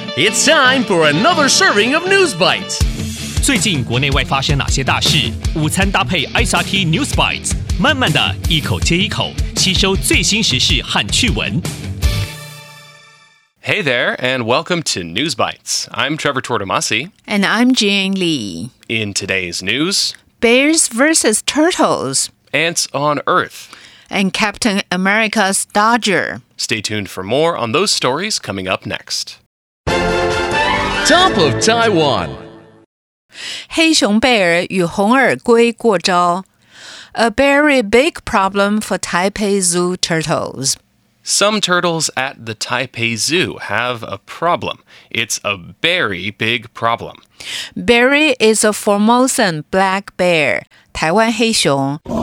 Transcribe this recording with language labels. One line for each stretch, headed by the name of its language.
English: It's time for another serving of News Bites.
Chinese: 最近国内外发生哪些大事？午餐搭配 SRT News Bites， 慢慢的一口接一口，吸收最新时事和趣闻。
English: Hey there, and welcome to News Bites. I'm Trevor Tortomasi. And I'm Jian Li. In today's news, Bears versus Turtles. Ants on Earth. And Captain America's Dodger. Stay tuned for more on those stories coming up next. Top of Taiwan.
Chinese: 黑熊贝尔与红耳龟过招。
English: A very big problem for Taipei Zoo turtles. Some turtles at the Taipei Zoo have a problem. It's a very big problem. Berry is a Formosan black bear,
Chinese: 台湾黑熊。